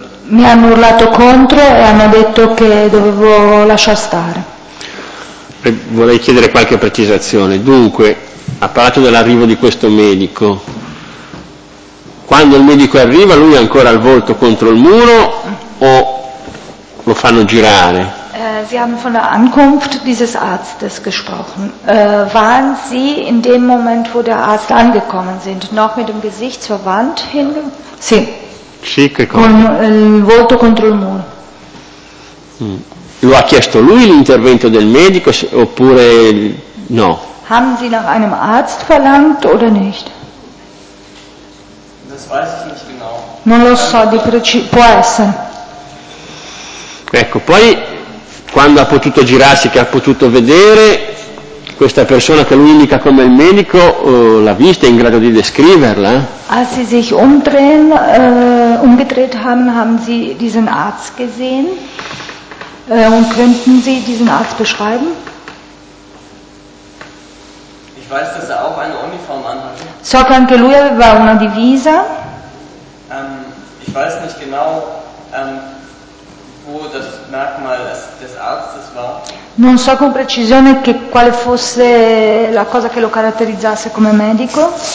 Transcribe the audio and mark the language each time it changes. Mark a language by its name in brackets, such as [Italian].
[Italian] Mi hanno urlato contro e hanno detto che dovevo lasciar stare. Vorrei chiedere qualche precisazione. Dunque, ha parlato dell'arrivo di questo medico. Quando il medico arriva, lui ha ancora il volto contro il muro o lo fanno girare? [German] Sie haben von der Ankunft dieses Arztes gesprochen. Waren Sie in dem Moment, wo der Arzt angekommen sind, noch mit dem Gesicht zur Wand [Italian] Sì. Sì, che cosa? Con il volto contro il muro. Lo ha chiesto lui l'intervento del medico oppure no? [German] Haben Sie nach einem Arzt verlangt oder nicht? Das weiß ich nicht genau. [Italian] Non lo so di preciso, può essere. Ecco, poi quando ha potuto girarsi, che ha potuto vedere, questa persona che lui indica come il medico, l'ha vista, è in grado di descriverla? [German] Als sie sich umdrehen, umgedreht haben, haben sie diesen Arzt gesehen? Und könnten sie diesen Arzt beschreiben? Ich weiß, dass er auch eine Uniform anhatte. [Italian] So che anche lui aveva una divisa. [German] Ich weiß nicht genau, wo das Merkmal des Arztes war. [Italian] Non so con precisione che quale fosse la cosa che lo caratterizzasse come medico.